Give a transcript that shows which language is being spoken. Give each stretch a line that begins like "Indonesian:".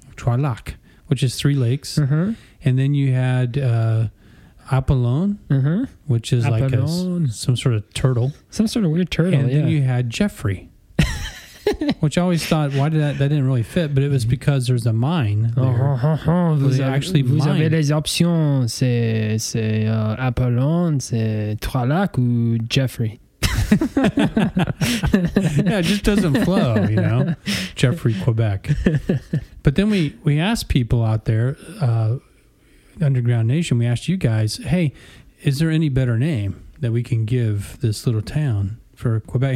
English: Trois Lacs, which is three lakes. Uh-huh. And then you had Apollon, which is Apollon. Like some sort of turtle. Some sort of weird turtle, And then you had Jeffrey. Which I always thought, why did that didn't really fit, but it was because there's a mine there.
French: Vous avez les options, c'est Apollon, c'est Trois Lacs, ou Jeffrey.
English: Yeah, it just doesn't flow, you know, Jeffrey Quebec. But then we asked people out there, Underground Nation, we asked you guys, hey, is there any better name that we can give this little town for Quebec?